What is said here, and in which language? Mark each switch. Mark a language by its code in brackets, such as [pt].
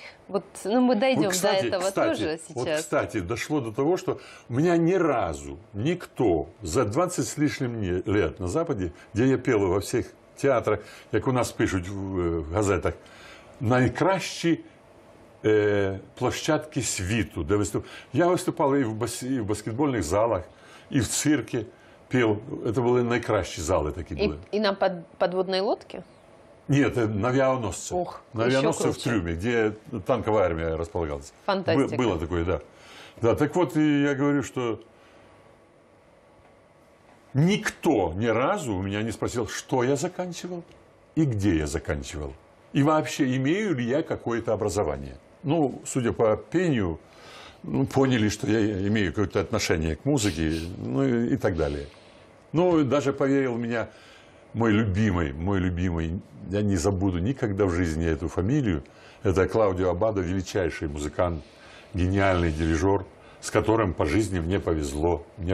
[ru] Вот, ну, мы дойдем вот, кстати, до этого кстати, тоже сейчас. Вот, кстати, дошло до того, что у меня ни разу никто за 20 с лишним лет на Западе, где я пел во всех театрах, как у нас пишут в газетах, наикращий... [uk] площадки світу, де виступ. Я виступав і в баскетбольних залах, і в цирке пів. Це були найкращі зали такі були. І на підводній лодці? Ні, це на авіаносці. Ох, на авіаносці в трюмі, де танкова армія розполагалася. Фантастика. Було таке, да. Да, так от я говорю, що ніхто ні разу у мене не спросив, що я закінчував і де я закінчував. [ru] И вообще, имею ли я какое-то образование? Ну, судя по пению, ну, поняли, что я имею какое-то отношение к музыке, ну и так далее. Ну, даже поверил в меня мой любимый, я не забуду никогда в жизни эту фамилию, это Клаудио Аббадо, величайший музыкант, гениальный дирижер, с которым по жизни мне повезло.